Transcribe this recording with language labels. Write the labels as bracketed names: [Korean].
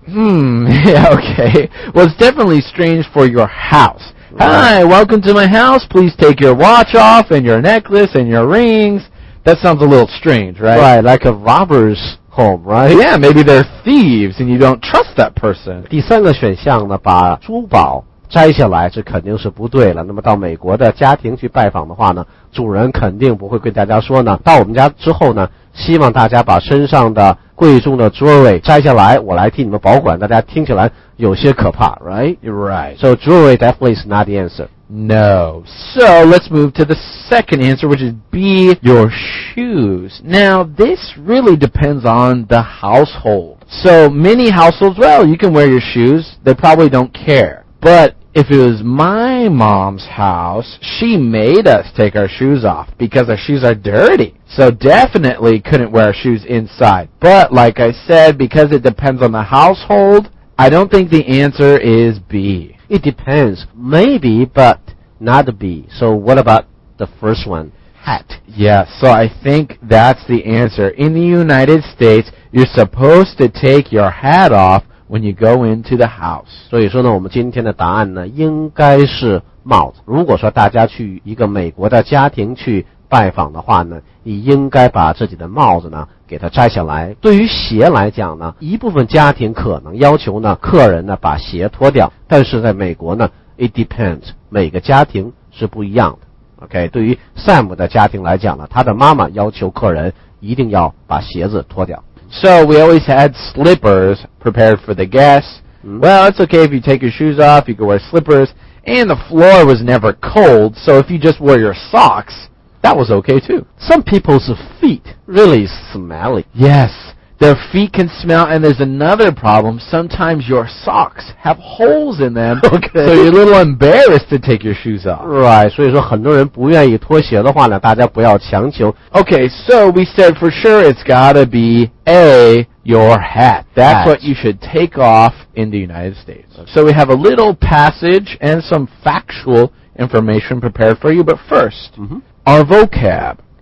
[English] Yeah, okay. Well, it's definitely strange for your house. Hi, welcome to my house. Please take your watch off and your necklace and your rings. That sounds a little strange, right? Right, like a robber's home, right? Yeah, maybe they're thieves and you don't trust that person. [Chinese] 第三个选项呢，把珠宝摘下来，这肯定是不对了。那么到美国的家庭去拜访的话呢，主人肯定不会跟大家说呢，到我们家之后呢，希望大家把身上的贵重的 jewelry 摘下来，我来替你们保管。大家听起来有些可怕， right? [English] You're right. So jewelry definitely is not the answer. No. So let's move to the second answer, which is B, your shoes. Now this really depends on the household. So many households, well, you can wear your shoes. They probably don't care. But if it was my mom's house, she made us take our shoes off because our shoes are dirty. So definitely couldn't wear our shoes inside. But like I said, because it depends on the household, I don't think the answer is B. It depends. Maybe, but not B. So what about the first one? Hat. Yeah, so I think that's the answer. In the United States, you're supposed to take your hat off when you go into the house. [Chinese] 所以说呢，我们今天的答案呢，应该是帽子。如果说大家去一个美国的家庭去拜访的话呢，你应该把自己的帽子呢给它摘下来。对于鞋来讲呢，一部分家庭可能要求呢客人呢把鞋脱掉，但是在美国呢 ， [English] it depends， [Chinese] 每个家庭是不一样的。 OK， 对于 Sam 的家庭来讲呢，他的妈妈要求客人一定要把鞋子脱掉。 [English] So we always had slippers prepared for the guests. Well, it's okay if you take your shoes off, you can wear slippers. And the floor was never cold, so if you just wore your socks, that was okay too. Some people's feet really smelly. Yes, their feet can smell, and there's another problem. Sometimes your socks have holes in them, okay. So you're a little embarrassed to take your shoes off. [Chinese] Right, 所以说很多人不愿意脱鞋的话呢，大家不要强求。 [English] Okay, so we said for sure it's gotta be A, your hat. That's what you should take off in the United States. Okay. So we have a little passage and some factual information prepared for you, but first, our vocab.